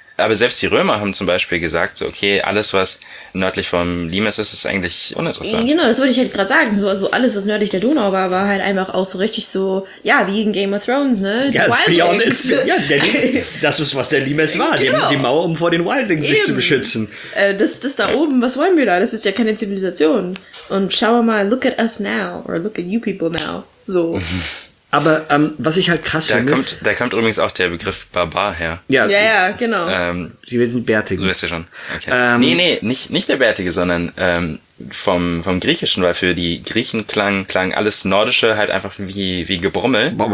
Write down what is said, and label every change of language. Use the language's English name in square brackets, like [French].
[German] Aber selbst die Römer haben zum Beispiel gesagt, so okay, alles, was nördlich vom Limes ist, ist eigentlich uninteressant. Genau, das wollte ich halt gerade sagen. So, also alles, was nördlich der Donau war, war halt einfach auch so richtig so, ja, wie in Game of Thrones, ne? Ja, die Wildlings. Ist, ja, das ist, was der Limes war, genau. Die Mauer, um vor den Wildlings sich zu beschützen. Das da oben, was wollen wir da? Das ist ja keine Zivilisation. Und schau mal, [English] look at us now, or look at you people now, so. [German] Aber was ich halt krass finde... Da kommt übrigens auch der Begriff Barbar her. Ja, ja, ja, genau. Sie sind Bärtige. Du weißt ja schon. Okay. Nee, nicht der Bärtige, sondern vom Griechischen, weil für die Griechen klang alles Nordische halt einfach wie Gebrummel.